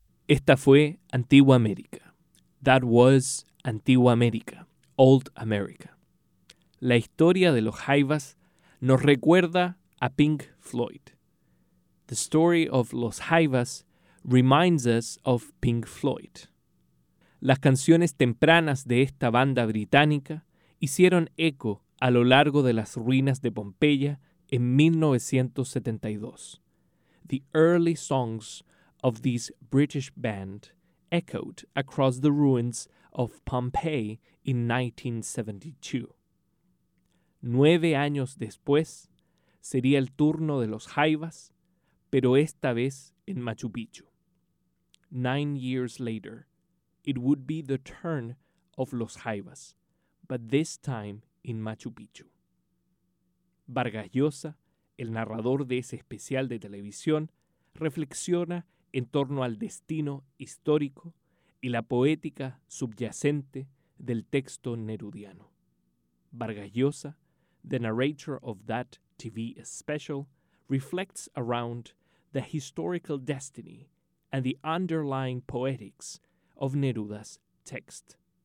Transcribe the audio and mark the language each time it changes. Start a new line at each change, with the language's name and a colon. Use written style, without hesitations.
Spanish: Esta fue Antigua América.
English: That was Antigua América, Old America.
Spanish: La historia de los Jaivas nos recuerda a Pink Floyd.
English: The story of Los Jaivas reminds us of Pink Floyd.
Spanish: Las canciones tempranas de esta banda británica hicieron eco a lo largo de las ruinas de Pompeya en 1972.
English: The early songs of this British band echoed across the ruins of Pompeii in 1972.
Spanish: 9 años después, sería el turno de los Jaivas, pero esta vez en Machu Picchu.
English: 9 years later, it would be the turn of Los Jaivas, but this time in Machu Picchu.
Spanish: Vargas Llosa, el narrador de ese especial de televisión, reflexiona en torno al destino histórico y la poética subyacente del texto nerudiano.
English: Vargas Llosa, the narrator of that TV special, reflects around the historical destiny and the underlying poetics of Neruda's text.